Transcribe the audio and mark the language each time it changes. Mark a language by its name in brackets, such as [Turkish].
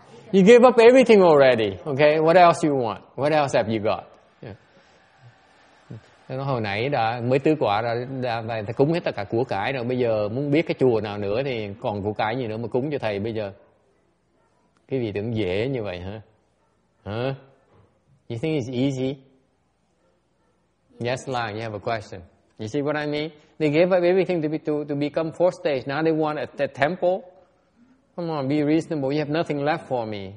[English] You give up everything already, okay? What else you want? What else have you got? Yeah. [Vietnamese] Nó hồi nãy đã mới tứ quả rồi, đã cúng hết tất cả của cải rồi, bây giờ muốn biết cái chùa nào nữa thì còn của cải gì nữa mà cúng cho thầy bây giờ. Cái gì tưởng dễ như vậy hả? [English] Hả? You think it's easy? Yes, Lan, you have a question. You see what I mean? They gave up everything to become four stage. Now they want a temple. Come on, be reasonable. You have nothing left for me.